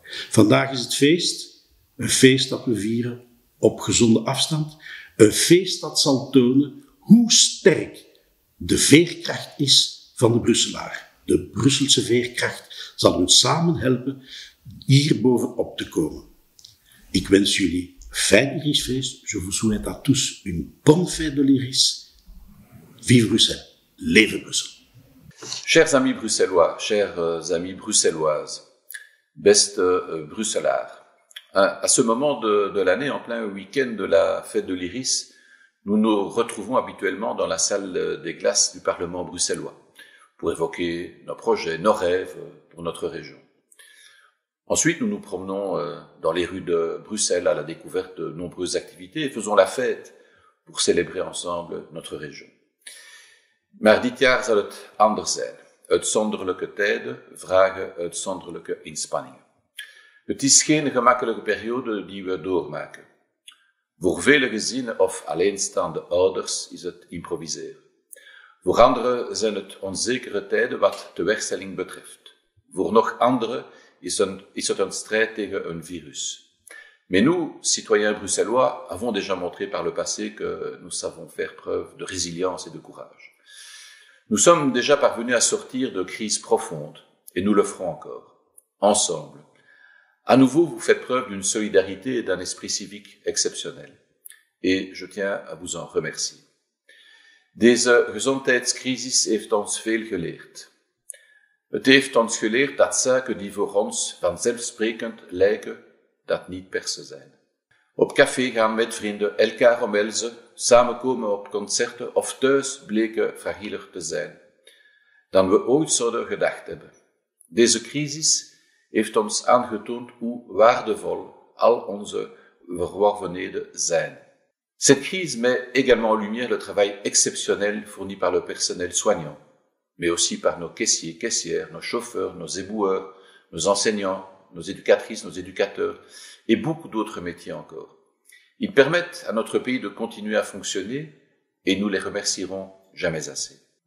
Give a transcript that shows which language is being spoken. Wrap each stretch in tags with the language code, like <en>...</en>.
<nl>Vandaag is het feest, een feest dat we vieren op gezonde afstand. Een feest dat zal tonen hoe sterk de veerkracht is van de Brusselaar. De Brusselse veerkracht zal ons samen helpen hier bovenop te komen. Ik wens jullie fijn Irisfeest.</nl> <fr>Je vous souhaite à tous une bonne fête de l'Iris. Vive Bruxelles.</fr> <nl>Leve Brussel.</nl> <fr>Chers amis bruxellois, chères amies bruxelloises,</fr> <nl>Beste Brusselaar.</nl> <fr>À ce moment de l'année, en plein week-end de la fête de l'Iris, nous nous retrouvons habituellement dans la salle des glaces du Parlement bruxellois pour évoquer nos projets, nos rêves pour notre région. Ensuite, nous nous promenons dans les rues de Bruxelles à la découverte de nombreuses activités et faisons la fête pour célébrer ensemble notre région.</fr> <nl>Marditjar zal het anders zijn, uitzonderlijke tijden vragen uitzonderlijke inspanningen. Het is geen gemakkelijke periode die we doormaken. Voor vele gezinnen of alleenstaande ouders is het improviseren. Voor anderen zijn het onzekere tijden wat de werkstelling betreft. Voor nog anderen is het een strijd tegen een virus.</nl> <fr>Mais nous, citoyens bruxellois, avons déjà montré par le passé que nous savons faire preuve de résilience et de courage. Nous sommes déjà parvenus à sortir de crises profondes, et nous le ferons encore, ensemble. À nouveau, vous faites preuve d'une solidarité et d'un esprit civique exceptionnel. Et je tiens à vous en remercier.</fr> <nl>Deze gezondheidscrisis heeft ons veel geleerd. Het heeft ons geleerd dat zaken die voor ons vanzelfsprekend lijken, dat niet per se zijn. Op café gaan met vrienden, elkaar omhelzen, samenkomen op concerten of thuis bleken fragieler te zijn dan we ooit zouden gedacht hebben. Deze crisis heeft ons aangetoond hoe waardevol al onze verworvenheden zijn.</nl> <fr>Cette crise met également en lumière le travail exceptionnel fourni par le personnel soignant, mais aussi par nos caissiers, caissières, nos chauffeurs, nos éboueurs, nos enseignants, nos éducatrices, nos éducateurs et beaucoup d'autres métiers encore. Ils permettent à notre pays de continuer à fonctionner et nous les remercierons jamais assez.</fr>